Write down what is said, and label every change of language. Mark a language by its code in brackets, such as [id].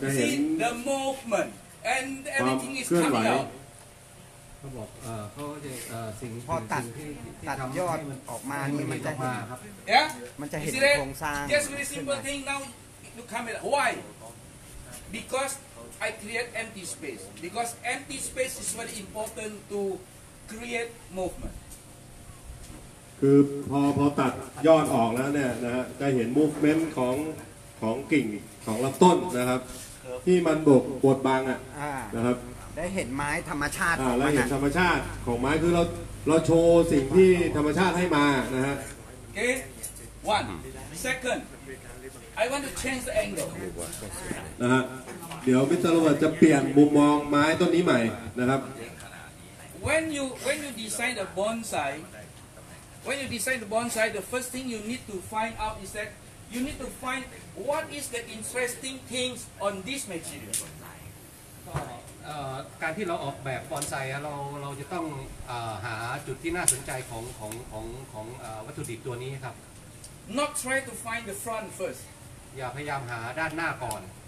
[en] see the movement and everything is coming out [th] เขาบอกเขาจะสิ่ง พอตัดยอดออกมานี่มันจะเห็นครับ [en] Yeah [th] มันจะเห็นโครงสร้าง [en] Just very simple thing nowLook, Camila. Why? Because I create empty space. Because empty space is very important to create movement. [th] คือพอตัดยอดออกแล้วเนี่ยนะฮะจะเห็น movement ของกิ่งของลำต้นนะครับที่มันบกปวดบางอ่ะนะครับ ได้เห็นไม้ธรรมชาติ แล้วเห็นธรรมชาติของไม้คือเราโชว์สิ่งที่ธรรมชาติให้มานะฮะ [en] Okay. One. Second. I want to change the angle. [th] นะฮะเดี๋ยวมิสเตอร์โรเบิร์ตจะเปลี่ยนมุมมองไม้ต้นนี้ใหม่นะครับ [en] When you design a bonsai, when you design the bonsai, the first thing you need to find out is that you need to find what is the interesting things on this material. [th] การที่เราออกแบบบอนไซเราจะต้องหาจุดที่น่าสนใจของวัตถุดิบตัวนี้ครับ [en] Not try to find the front first. [th] อย่าพยายามหาด้านหน้าก่อน